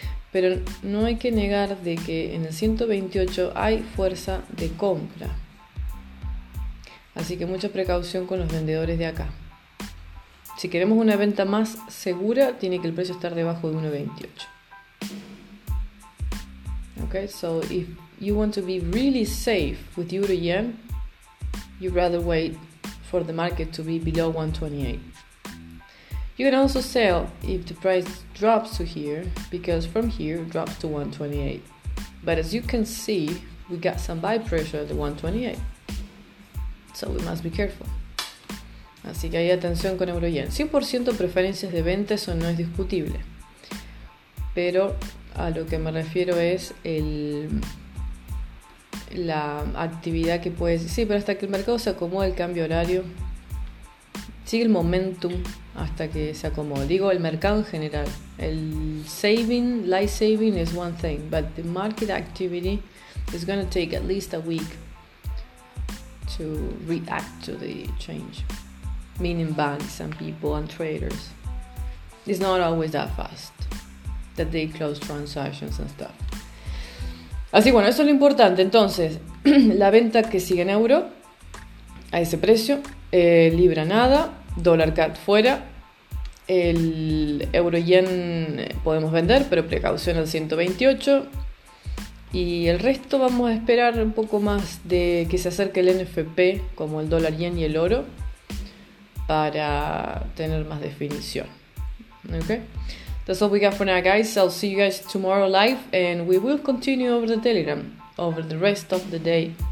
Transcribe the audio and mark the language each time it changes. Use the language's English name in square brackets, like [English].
[Spanish] Pero no hay que negar de que en el 128 hay fuerza de compra. Así que mucha precaución con los vendedores de acá. Si queremos una venta más segura, tiene que el precio estar debajo de 1.28. [English] Okay, so if you want to be really safe with euro yen, you'd rather wait for the market to be below 1.28. You can also sell if the price drops to here, because from here it drops to 1.28. But as you can see, we got some buy pressure at the 1.28. So we must be careful. [Spanish] Así que ahí atención con euro yen. 100% preferencias de venta, eso no es discutible. Pero a lo que me refiero es la actividad que puedes... Sí, pero hasta que el mercado se acomode el cambio horario, sigue el momentum hasta que se acomode. Digo, el mercado en general. [English] El saving, life saving is one thing, but the market activity is going to take at least a week to react to the change. Meaning banks and people and traders. It's not always that fast that they close transactions and stuff. [Spanish] Así, bueno, eso es lo importante. Entonces, la venta que sigue en euro a ese precio, libra nada, dólar CAD fuera, el euro yen podemos vender, pero precaución al 128, y el resto vamos a esperar un poco más de que se acerque el NFP, como el dólar yen y el oro, para tener más definición. [English] Okay. That's all we got for now, guys. I'll see you guys tomorrow live, and we will continue over the Telegram over the rest of the day.